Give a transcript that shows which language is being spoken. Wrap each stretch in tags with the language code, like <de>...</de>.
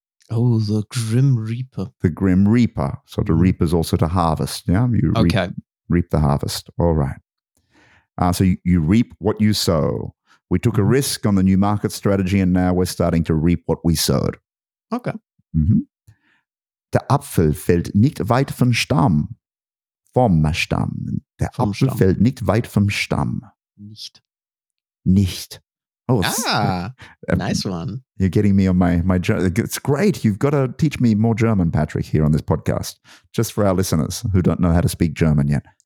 <en>Oh, the grim reaper. The grim reaper. So to reap is also to harvest. Yeah, you reap. Okay. Reap the harvest. All right. So you reap what you sow. We took a risk on the new market strategy and now we're starting to reap what we sowed. Okay. Mm-hmm.</en> <de>Der Apfel fällt nicht weit vom Stamm. Vom Stamm. Der vom Apfel Stamm. Fällt nicht weit vom Stamm. Nicht. Nicht.</de> <en>Oh, nice one. You're getting me on my German. It's great. You've got to teach me more German, Patrick, here on this podcast, just for our listeners who don't know how to speak German yet.</en>